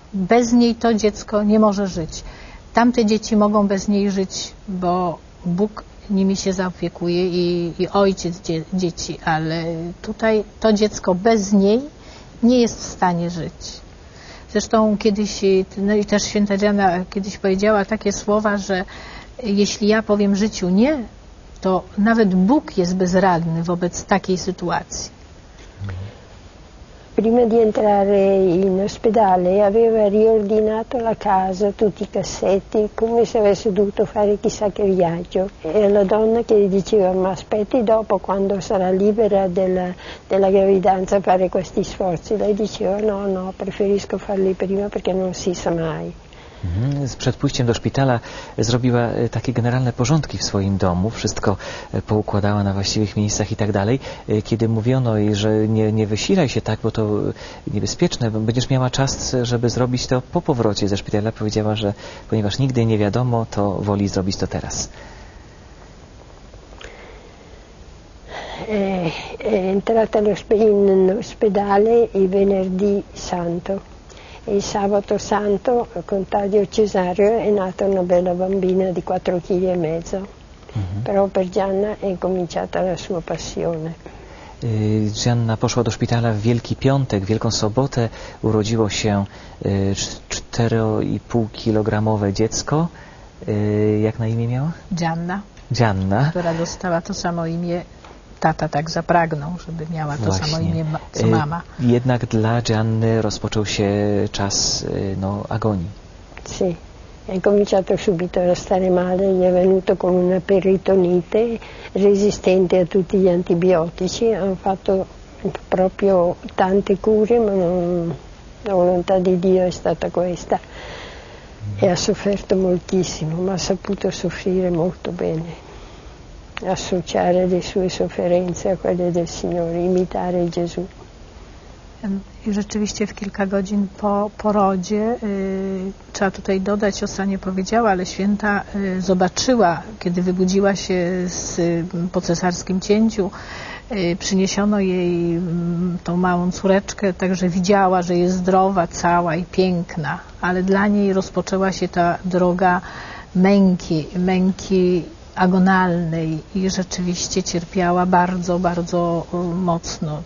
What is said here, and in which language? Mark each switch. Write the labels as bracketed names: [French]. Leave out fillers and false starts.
[Polish] Bez niej to dziecko nie może żyć. Tamte dzieci mogą bez niej żyć, bo Bóg nimi się zaopiekuje i ojciec dzieci, ale tutaj to dziecko bez niej nie jest w stanie żyć. Zresztą kiedyś, no i też Święta Gianna kiedyś powiedziała takie słowa, że jeśli ja powiem życiu nie, to nawet Bóg jest bezradny wobec takiej sytuacji. [Italian] Prima di entrare in ospedale aveva riordinato la casa, tutti i cassetti, come se avesse dovuto fare chissà che viaggio. E la donna che gli diceva: ma aspetti dopo, quando sarà libera della gravidanza, fare questi sforzi. Lei diceva: no, preferisco farli prima perché non si sa mai. [Polish] Przed pójściem do szpitala zrobiła takie generalne porządki w swoim domu, wszystko poukładała na właściwych miejscach i tak dalej. Kiedy mówiono jej, że nie wysilaj się tak, bo to niebezpieczne, będziesz miała czas, żeby zrobić to po powrocie ze szpitala, powiedziała, że ponieważ nigdy nie wiadomo, to woli zrobić to teraz. [Italian] È entrata in ospedale il venerdì santo. Il sabato santo, con taglio cesareo, è nata una bella bambina di 4,5 kg. Però per Gianna è cominciata la sua passione. [Polish] Gianna poszła do szpitala w Wielki Piątek, Wielką Sobotę. Urodziło się 4,5-kilogramowe dziecko. Jak na imię miała? Gianna. Która dostała to samo imię. Tata tak zapragnął, żeby miała to właśnie samo imię co mama. Jednak dla Gianny rozpoczął się czas agonii. [Italian] Sì, è cominciato subito a stare male, gli è venuto con una peritonite resistente a tutti gli antibiotici. Hanno fatto proprio tante cure, ma non, la volontà di Dio è stata questa. E ha sofferto moltissimo, ma ha saputo soffrire molto bene. Associare le sue sofferenze a quelle del Signore, imitare Gesù. [Polish] I rzeczywiście w kilka godzin po porodzie, trzeba tutaj dodać, Siostra nie powiedziała, ale Święta zobaczyła, kiedy wybudziła się z po cesarskim cięciu, przyniesiono jej tą małą córeczkę, także widziała, że jest zdrowa, cała i piękna, ale dla niej rozpoczęła się ta droga męki agonalnej i rzeczywiście cierpiała bardzo, bardzo mocno.